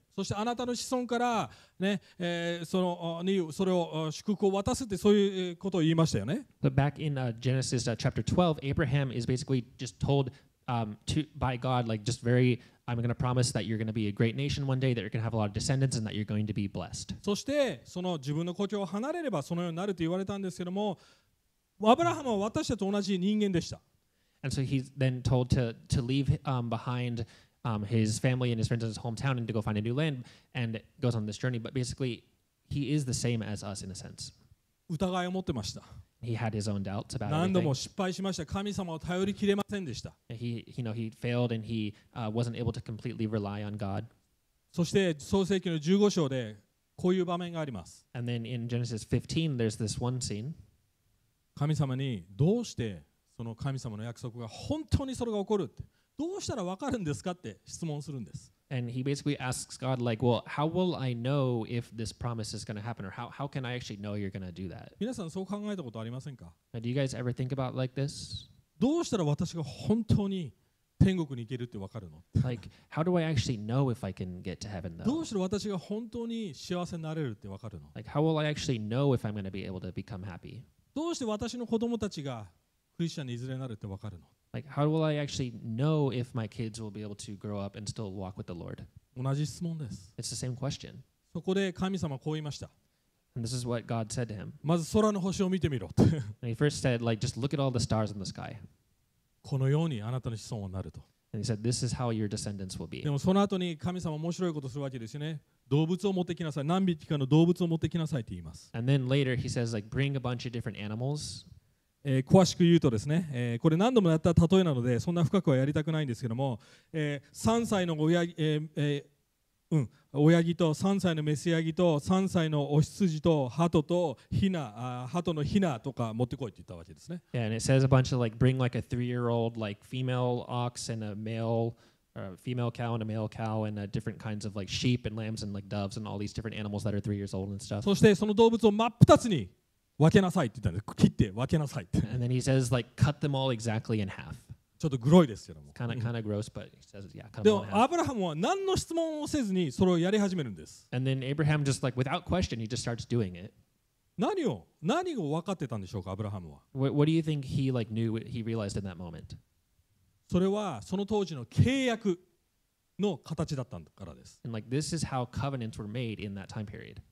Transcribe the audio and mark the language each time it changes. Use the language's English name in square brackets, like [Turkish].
[Japanese] そしてあなたの子孫から、ね、そのにそれを祝福を渡すってそういうことを言いましたよね。 [English] But back in Genesis chapter 12, Abraham is basically just told to, by God, like just very, I'm going to promise that you're going to be a great nation one day, that you're going to have a lot of descendants, and that you're going to be blessed. [Japanese] そしてその自分の故郷を離れればそのようになると言われたんですけども、アブラハムは私たちと同じ人間でした。 [English] And so he's then told to leave behind. His family and his friends and his hometown and to go find a new land and goes on this journey. But basically, he is the same as us in a sense. [Japanese] 疑いを持ってました。 [English] He had his own doubts about everything. [Japanese] 何度も失敗しました。神様を頼りきれませんでした。 [English] He, you know, he failed and he wasn't able to completely rely on God. [Japanese] そして創世記の15章でこういう場面があります。 [English] And then in Genesis 15, there's this one scene. [Japanese] 神様にどうしてその神様の約束が本当にそれが起こるってどうしたらわかるんですかって質問するんです。 [English] And he basically asks God, like, well, how will I know if this promise is going to happen, or how can I actually know you're going to do that? [Japanese] 皆さんそう考えたことありませんか? [English] Now, do you guys ever think about like this? [Japanese] どうしたら私が本当に天国に行けるってわかるの? [English] Like, how do I actually know if I can get to heaven, though? [Japanese] どうしたら私が本当に幸せになれるってわかるの? [English] Like, how will I actually know if I'm going to be able to become happy? [Japanese] どうして私の子供たちがクリスチャンにいずれなるってわかるの? [English] Like, how will I actually know if my kids will be able to grow up and still walk with the Lord? [Japanese] 同じ質問です。 [English] It's the same question. [Japanese] そこで神様はこう言いました。 [English] And this is what God said to him. [Japanese] まず空の星を見てみろ。 [English] And he first said, like, just look at all the stars in the sky. [Japanese] このようにあなたの子孫はなると。 [English] And he said, this is how your descendants will be. [Japanese] でもその後に神様は面白いことをするわけですよね。動物を持ってきなさい。何匹かの動物を持ってきなさいと言います。 [English] And then later he says, like, bring a bunch of different animals. [Japanese] 詳しく言うとですね、これ何度もやった例えなのでそんな深くはやりたくないんですけども、3歳の親ヤギと3歳のメスヤギと3歳のオヒツジとハトとヒナ、ハトのヒナとか持ってこいって言ったわけですね。 [English] Yeah, and it says a bunch of like bring like a three-year-old like female ox and a male or a female cow and a male cow and different kinds of like sheep and lambs and like doves and all these different animals that are 3 years old and stuff. [Japanese] そしてその動物を真っ二つに分けなさいって言ったんです。切って分けなさいって。 [English] And then he says, like, cut them all exactly in half. [Japanese] ちょっとグロいですけども。 [English] Kind of gross, but he says, yeah, cut them all in half. [Japanese] アブラハムは何の質問をせずにそれをやり始めるんです。 [English] And then Abraham just like without question, he just starts doing it. [Japanese] 何を分かってたんでしょうか、アブラハムは。 [English] What do you think he like knew? He realized in that moment. [Japanese] それはその当時の契約の形だったからです。 [English] And like this is how covenants were made in that time period.